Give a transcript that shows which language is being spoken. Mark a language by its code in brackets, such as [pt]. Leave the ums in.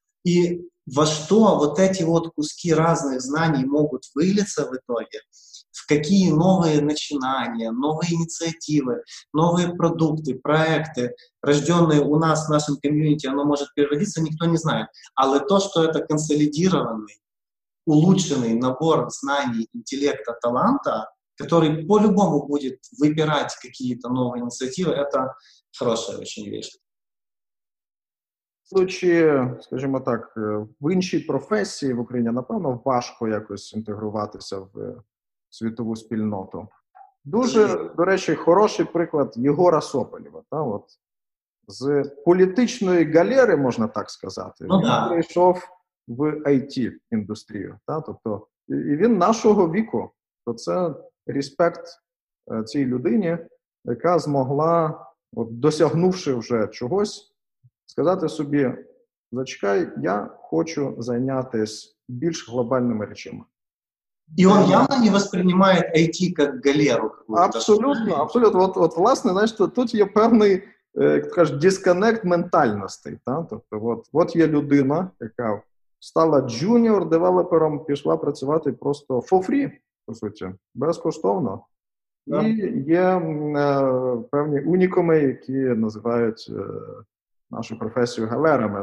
[ru] И во что вот эти вот куски разных знаний могут вылиться в итоге, в какие новые начинания, новые инициативы, новые продукты, проекты, рожденные у нас в нашем комьюнити, оно может переродиться, никто не знает. [uk] Але [ru] то, что это консолидированный, улучшенный набор знаний, интеллекта, таланта, который по-любому будет выбирать какие-то новые инициативы, это хорошая очень вещь. [uk] Случаї, скажімо так, в іншій професії в Україні, напевно, важко якось інтегруватися в світову спільноту. Дуже, до речі, хороший приклад Єгора Сопелєва. Та, от, З політичної галери, можна так сказати, він Ага. прийшов в it індустрію Та, тобто, і і він нашого віку. То це респект е, цій людині, яка змогла, от, досягнувши вже чогось сказати собі: зачекай, я хочу зайнятися більш глобальними речами. [ru] И он явно не воспринимает IT как галеру. какую-то. Абсолютно, абсолютно. [uk] От, от власне, знаєш, то тут є певний е, як ти кажеш, дисконект ментальностей. Та? Тобто, от, от є людина, яка стала джуніор девелопером, пішла працювати просто [en] for free, [uk] по суті, безкоштовно. [ru] Да. [uk] І є м, е, певні унікуми, які називають е, нашу професію галерами.